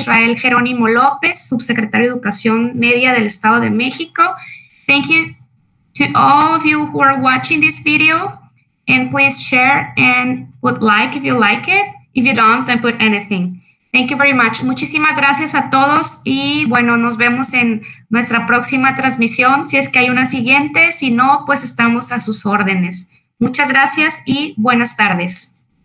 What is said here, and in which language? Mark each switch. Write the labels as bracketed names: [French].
[Spanish] Israel Jerónimo López, Subsecretario de Educación Media del Estado de México. [English] Thank you to all of you who are watching this video, and please share and put like if you like it. If you don't, then put anything. Thank you very much. [Spanish] Muchísimas gracias a todos y bueno, nos vemos en nuestra próxima transmisión. Si es que hay una siguiente, si no, pues estamos a sus órdenes. Muchas gracias y buenas tardes.